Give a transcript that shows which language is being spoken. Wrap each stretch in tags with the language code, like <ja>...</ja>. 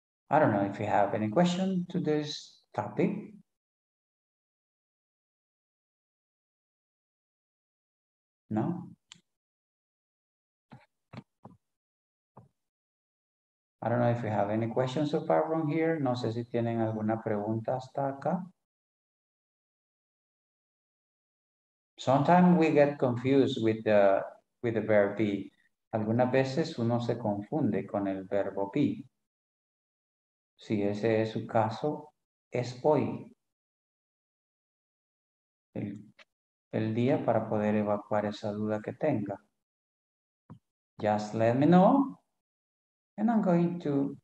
<en>I don't know if you have any question to this topic. No? I don't know if you have any questions so far from here.</en> <es>No sé si tienen alguna pregunta hasta acá.</es> <en>Sometimes we get confused with the verb be.</en> <es>Algunas veces uno se confunde con el verbo be. Si ese es su caso, es hoy. El día para poder evacuar esa duda que tenga.</es> <en>Just let me know. And I'm going to</en>